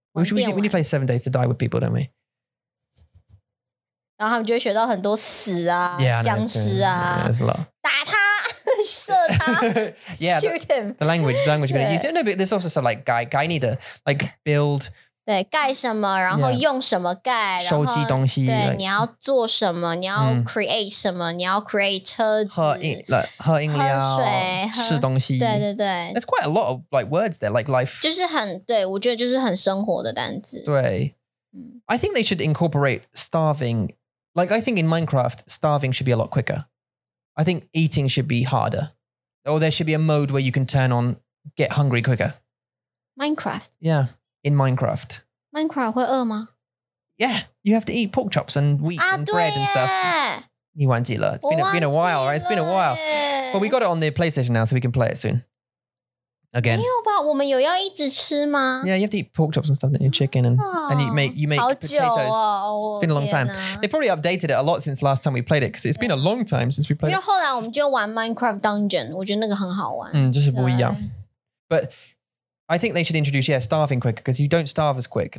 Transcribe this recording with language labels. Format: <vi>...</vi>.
<en>We need to play 7 days to die with people, don't we?</en> <zh>然后他们就会学到很多死啊</zh> <en>yeah,</en> <zh>僵尸啊</zh> <en>there's a lot.</en> <zh>打他射他</zh> <en>yeah, shoot him. The language you're going to use. No, but there's also stuff like guy need to like build.</en> <zh>对盖什么然后用什么盖。</zh> <en>Yeah.</en> <zh>然后收集东西。对、</zh> <en>like、</en> <zh>你要做什么你要 create 什么、你要 create 车子。喝饮料喝水吃东西。对对对。</zh> <en>That's quite a lot of like words there, like life.</en> <zh>就是很对我觉得就是很生活的单字。</zh> <en>对。I think they should incorporate starving. Like I think in Minecraft, starving should be a lot quicker. I think eating should be harder. Or there should be a mode where you can turn on get hungry quicker. Minecraft? Yeah. In Minecraft.</en> <zh>Minecraft 会饿吗?</zh> <en>Yeah, you have to eat pork chops and wheat and bread and stuff.</en> <zh>你忘记了。</zh> <en>It's been a while, right? It's been a while. But we got it on the PlayStation now, so we can play it soon. Again.</en> <zh>没有吧,我们有要一直吃吗?</zh> <en>Yeah, you have to eat pork chops and stuff, don't you? Chicken and you make potatoes. It's been a long time. They probably updated it a lot since last time we played it, because it's been a long time since we played it.</en> <zh>因为后来我们就玩 Minecraft Dungeon, 我觉得那个很好玩。就是不一样。But...</zh> <en>I think they should introduce, yeah, starving quicker because you don't starve as quick.</en>